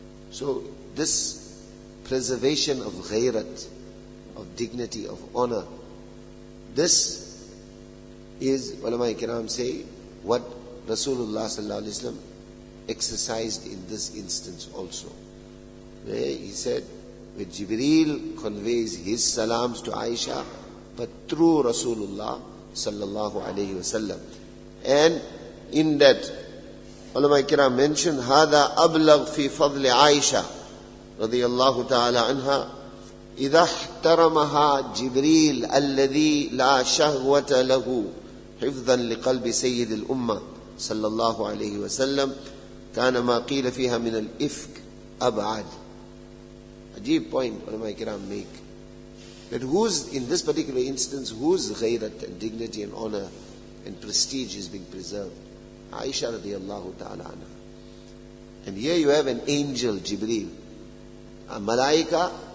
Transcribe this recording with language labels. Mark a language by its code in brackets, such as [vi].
[en] So this preservation of ghairat, of dignity, of honor, this is, ulama ikram say, what Rasulullah sallallahu alayhi wa sallam exercised in this instance also. Where he said, where Jibreel conveys his salams to Aisha, but through Rasulullah sallallahu alayhi wa sallam. And in that, ulama kiram mentioned, [ar] هَذَا أَبْلَغْ فِي فَضْلِ عَيْشَ رَضِيَ اللَّهُ تَعَالَىٰ عَنْهَا إِذَا احْتَرَمَهَا جِبْرِيلِ أَلَّذِي لَا شَهْوَةَ لَهُ حِفْظًا لِقَلْبِ سَيِّدِ الْأُمَّةِ صلى الله عليه وسلم كان ما قيل فيها من الإفك أبعد. [en] عجيب point ulama kiram make, that who's in this particular instance, whose غيرت and dignity and honor and prestige is being preserved? Aisha radiallahu ta'ala anha. And here you have an angel, Jibreel. A malaika.